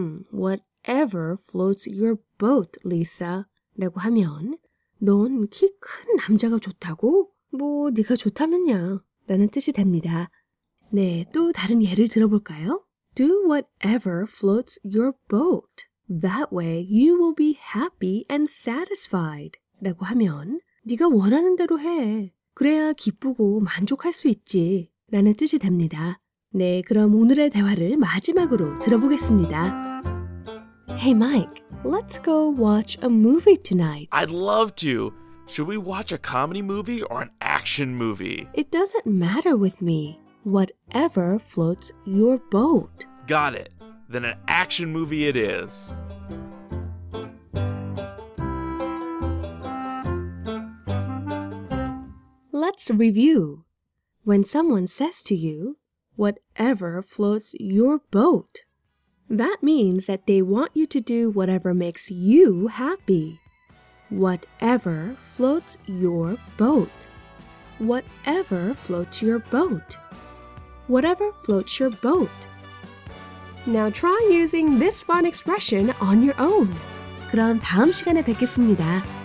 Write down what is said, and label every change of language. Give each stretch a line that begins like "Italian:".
English: Whatever floats your boat, Lisa.
Korean: 라고 하면 넌 키 큰 남자가 좋다고? 뭐 네가 좋다면야 라는 뜻이 됩니다. 네, 또 다른 예를 들어볼까요?
English: Do whatever floats your boat. That way you will be happy and satisfied.
Korean: 라고 하면 네가 원하는 대로 해. 그래야 기쁘고 만족할 수 있지 라는 뜻이 됩니다. 네, 그럼 오늘의 대화를 마지막으로 들어보겠습니다.
English: Hey Mike, let's go watch a movie tonight. I'd love to. Should we watch a comedy movie or an action movie? It doesn't matter with me. Whatever floats your boat. Got it. Then an action movie it is. Let's review. When someone says to you, whatever floats your boat. That means that they want you to do whatever makes you happy. Whatever floats your boat. Whatever floats your boat. Whatever floats your boat. Now try using this fun expression on your own.
Korean: 그럼 다음 시간에 뵙겠습니다.